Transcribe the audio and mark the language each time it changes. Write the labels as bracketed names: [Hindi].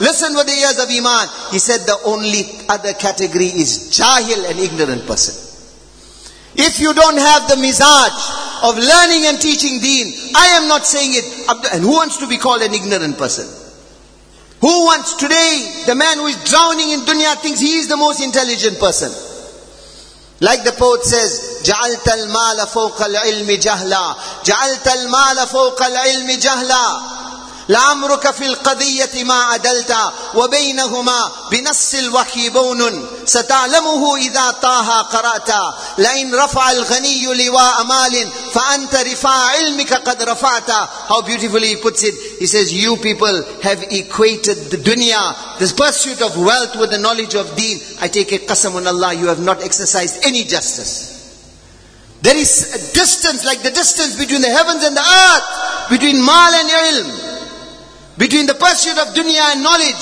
[English] Listen with the ears of iman. He said the only other category is jahil, an ignorant person. If you don't have the mizaj of learning and teaching deen, I am not saying it. And who wants to be called an ignorant person? Who wants today, the man who is drowning in dunya thinks he is the most intelligent person? Like the poet says, [Arabic] جَعَلْتَ الْمَالَ فَوْقَ الْعِلْمِ جَهْلًا جَعَلْتَ الْمَالَ فَوْقَ الْعِلْمِ جَهْلًا لَعَمْرُكَ فِي الْقَضِيَّةِ مَا عَدَلْتَ وَبَيْنَهُمَا بِنَصِّ الْوَحْيِ بَوْنٌ سَتَعْلَمُهُ إِذَا طَاهَا قَرَأْتَ لَئِنْ رَفَعَ الْغَنِيُّ لِوَاءَ مَالٍ فَأَنْتَ رِفَاعَ عِلْمِكَ قَدْ رَفَعْتَ. [English] How beautifully he puts it. He says, you people have equated the dunya, this pursuit of wealth, with the knowledge of deen. I take it, qasam on Allah, you have not exercised any justice. There is a distance, like the distance between the heavens and the earth, between maal and ilm, between the pursuit of dunya and knowledge.